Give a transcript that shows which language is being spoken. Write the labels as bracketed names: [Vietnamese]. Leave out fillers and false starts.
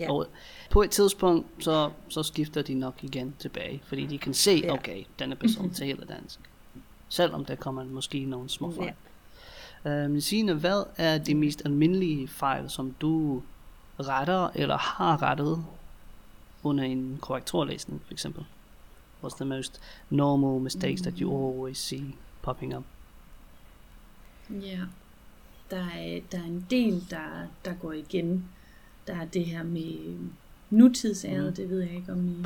[Danish] Yeah. Og på et tidspunkt, så skifter de nok igen tilbage, fordi de kan se, okay, denne person taler dansk. Selvom der kommer måske nogle små fejl. Signe, hvad er de mest almindelige fejl, som du retter eller har rettet under en korrekturlæsning, for eksempel? [English] What's the most normal mistakes that you always see popping up? [Danish] Der er en del, der går igen. Der er det her med nutidsæret, det ved jeg ikke, om I kender til.